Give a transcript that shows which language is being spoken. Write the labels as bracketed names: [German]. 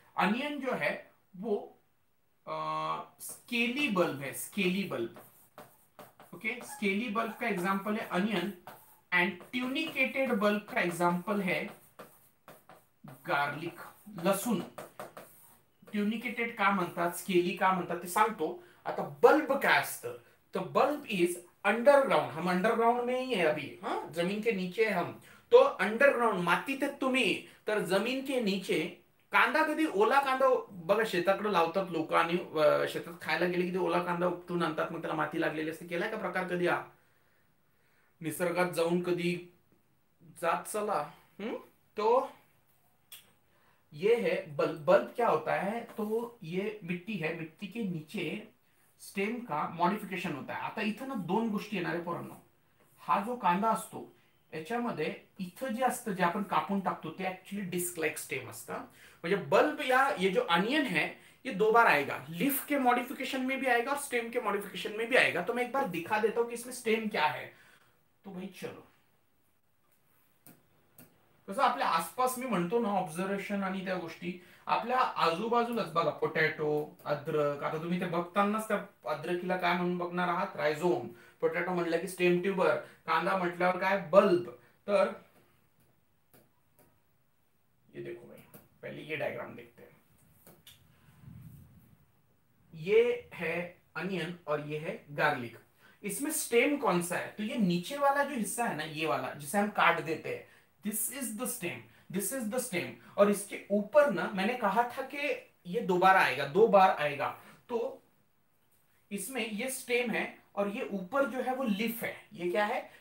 [Hindi] Onion जो है वो स्केली बल्ब है, scaly bulb, okay, scaly bulb का एग्जाम्पल है अनियन, एंड ट्यूनिकेटेड बल्ब का एग्जाम्पल है गार्लिक, लसुन। [Marathi] ट्यूनिकेटेड का म्हणतात, स्केली का म्हणतात ते सांगतो, आता बल्ब काय असतं? तर bulb is underground, [Hindi] हम अंडरग्राउंड में ही है अभी, हाँ जमीन के नीचे है हम, [Marathi] तो अंडरग्राउंड मातीत आहे तुम्ही, तर जमीन के नीचे कांदा कधी ओला कांदा बघा शेताकडे लावतात लोक, आणि शेतात खायला गेले की ते ओला कांदा उपटून आणतात, मग त्याला माती लागलेली असते, केलाय का प्रकार कधी? हा निसर्गात जाऊन कधी जात चला। [Hindi] तो ये है बल्ब। बल्ब क्या होता है? तो ये मिट्टी है, मिट्टी के नीचे स्टेम का मॉडिफिकेशन होता है। [Marathi] आता इथं ना दोन गोष्टी येणार आहे पोरांनो, हा जो कांदा असतो याच्यामध्ये इथं जे असतं जे आपण कापून टाकतो ते ऍक्च्युअली डिस्क लाइक स्टेम असतं, म्हणजे बल्ब या [Hindi] ये जो अनियन है ये दो बार आएगा, लीफ के मॉडिफिकेशन में भी आएगा [Marathi] और स्टेम के मॉडिफिकेशन में भी आएगा। [Hindi] तो मैं एक बार दिखा देता हूँ कि इसमें स्टेम क्या है। [Marathi] तो भाई चलो, जसं आपल्या आसपास मी म्हणतो ना ऑब्झर्वेशन आणि त्या गोष्टी, आपल्या आजूबाजूलाच बघा पोटॅटो, अद्रक, आता तुम्ही ते बघतानाच त्या अद्रकीला काय म्हणून बघणार आहात? रायझोम। पोटॅटो म्हटलं की स्टेम ट्यूबर, कांदा म्हटल्यावर काय? बल्ब। [Hindi] तर ये देखो भाई, पहले ये डायग्राम देखते हैं, ये है अनियन और ये है गार्लिक, इसमें स्टेम कौन सा है? तो ये नीचे वाला जो हिस्सा है ना, ये वाला जिसे हम काट देते हैं, [English] this is the stem, [Hindi] this is the stem, और इसके ऊपर ना मैंने कहा था कि ये दोबारा आएगा, दो बार आएगा, तो इसमें ये स्टेम है और ये ऊपर जो है वो लीफ है, ये क्या है?